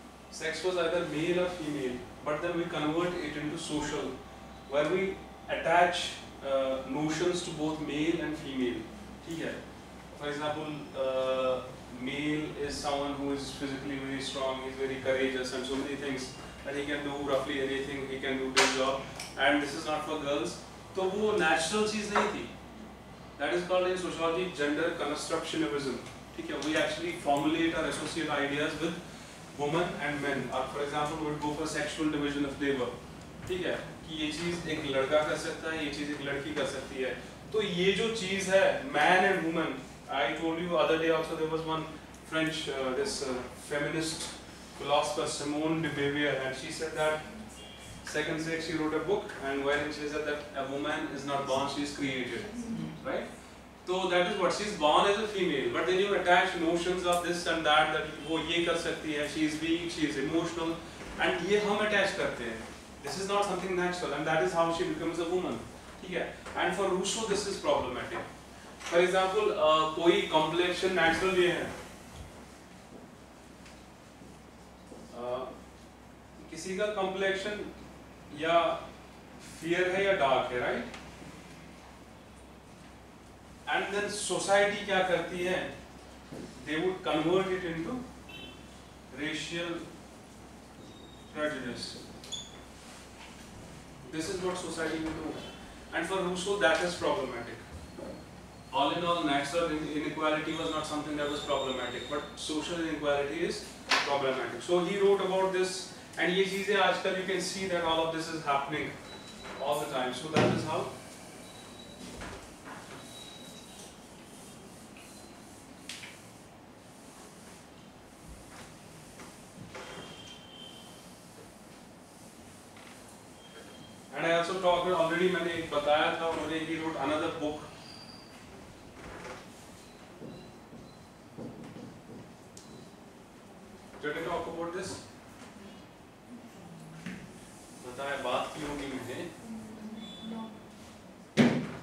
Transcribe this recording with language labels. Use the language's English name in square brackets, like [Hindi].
[English] Sex was either male or female, but then we convert it into social, where we attach notions to both male and female. [Hindi] ठीक है. [English] For example, male is someone who is physically very strong, he is very courageous, and so many things that he can do, roughly anything he can do this job. And this is not for girls. [Hindi] तो वो natural चीज नहीं थी. [English] That is called in sociology gender constructionism. [Hindi] ठीक है. [English] We actually formulate or associate ideas with women and men, or for example, would go for sexual division of labor. [Hindi] ठीक है कि ये चीज एक लड़का कर सकता है, ये चीज एक लड़की कर सकती है. तो ये जो चीज है, [English] man and woman. I told you other day also there was one French this feminist philosopher Simone de Beauvoir, and she said that second sex. She wrote a book, and wherein she said that a woman is not born, she is created, right? तो that is what she is born as a female but then you attach notions of this and that that [Hindi] वो ये कर सकती है [English] she is being she is emotional and [Hindi] ये हम attach करते हैं [English] this is not something natural and that is how she becomes a woman ठीक है and for Rousseau this is problematic for example [Hindi] कोई कॉम्प्लेक्शन नेचुरल ये है किसी का कॉम्प्लेक्शन या फियर है या डार्क है [English] right And then society [Hindi] क्या करती है? [English] They would convert it into racial prejudice. This is what society would do. And for Rousseau, that is problematic. All in all, natural inequality was not something that was problematic, but social inequality is problematic. So he wrote about this, and [Hindi] ये चीजें आजकल [English] you can see that all of this is happening all the time. So that is how. And I also talked already. [Hindi] मैंने एक बताया था उन्होंने [English] he wrote another book did I talk about this [Hindi] बताया बात की होगी मैंने